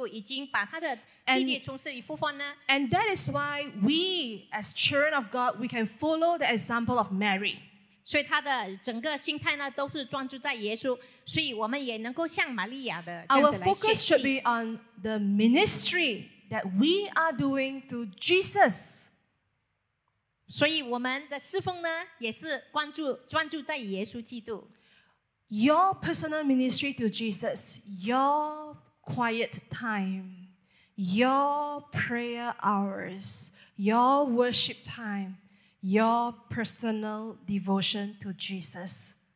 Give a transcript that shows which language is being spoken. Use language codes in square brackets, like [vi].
[zh] 所以呢，对于玛利亚来说，她带着一个感恩的心，对耶稣基督已经把她的弟弟从死里复活呢。 [en] And that is why we, as children of God, we can follow the example of Mary. [zh] 所以她的整个心态呢，都是专注在耶稣，所以我们也能够像玛利亚的这样子来学习。 [en] Our focus should be on the ministry that we are doing to Jesus. [zh] 所以我们的侍奉呢，也是专注在耶稣基督。 [en] Your personal ministry to Jesus, your quiet time, your prayer hours, your worship time, your personal devotion to Jesus.